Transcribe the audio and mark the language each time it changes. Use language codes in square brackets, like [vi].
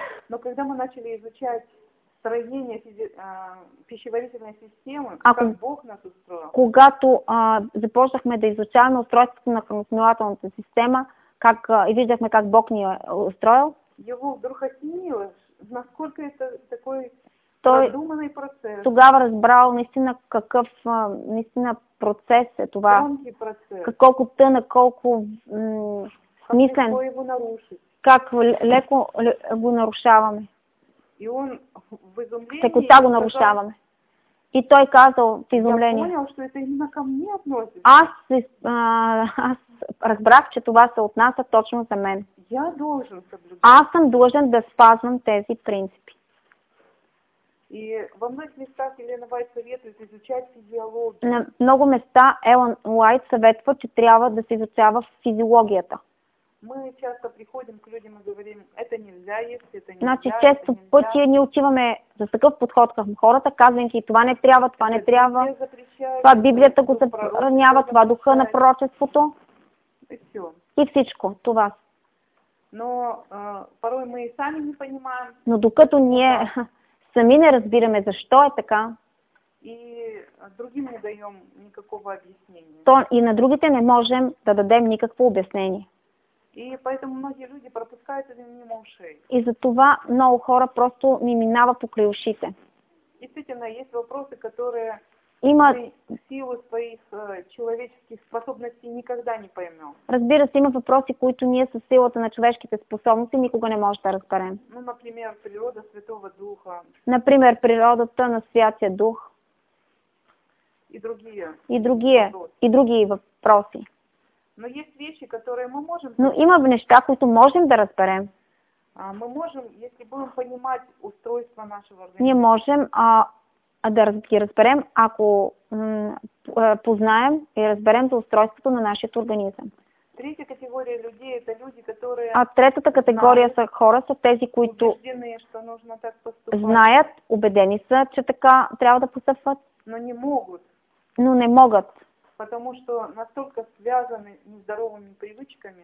[ru] Но когда мы начали изучать строение пищеварительной системы, как Бог нас устроил. [bg] Когато започнахме да изучаваме устройството на хранителната система, и виждахме как Бог ни е устроил, [ru] его вдруг осенило, насколько это такой продуманный процесс. [bg] Тогава разбрал наистина какъв наистина процес е това. [ru] Тонкий процес. [bg] Колко тънък, колко смислен. [ru] Как его нарушить. [bg] Как леко го нарушаваме. [ru] И он в изумлении. Так вот [bg] го нарушаваме. И той казал в изумление. [ru] Я понял, что это именно ко мне относится. [bg] Аз разбрах, че това се отнася точно за мен. [ru] Я должен соблюдать. [bg] Аз съм должен да спазвам тези принципи. [ru] И во многих местах Елена Уайт советует изучать физиологию. [bg] На много места Елен Уайт съветва, че трябва да се изучава физиологията. [ru] Мы часто приходим к людям и говорим, это нельзя есть, это нельзя. [bg] Значи, често пъти ние отиваме за такъв подход към хората, казвайки, това не трябва, това не трябва. Това Библията го забранява, това духа на пророчеството. И всичко това. [ru] Но порой мы и сами не понимаем. [bg] Но докато ние сами не разбираме защо е така. [ru] И другим не даем никакого обяснения. [bg] То и на другите не можем да дадем никакво обяснение. [ru] И поэтому многие люди пропускают это мимо ушей. [bg] И затова много хора просто не минава покрай ушите. [ru] Действительно, есть вопросы, которые [bg] има [ru] в силу своих человеческих способностей никогда не поймем. [bg] Разбира се, има въпроси, които ние със силата на човешките способности никога не можем да разберем. [ru] Ну, например, природа Святого Духа. [bg] Например, природата на Святия Дух. [ru] И другие [bg] въпроси. [ru] Но есть вещи, которые мы можем. [bg] Но има неща, които можем да разберем. [ru] Мы можем, если будем понимать устройство нашего организма. [bg] Ние можем да ги разберем, ако познаем и разберем за устройството на нашия организъм. [ru] Третья категория людей это люди, которые. [bg] А третата категория са хора, са тези, които [ru] убеждены, что нужно так поступать. [bg] Знаят, убедени са, че така трябва да постъпват. [ru] Но не могут. [bg] Но не могат. [ru] Потому что настолько связаны с нездоровыми привычками.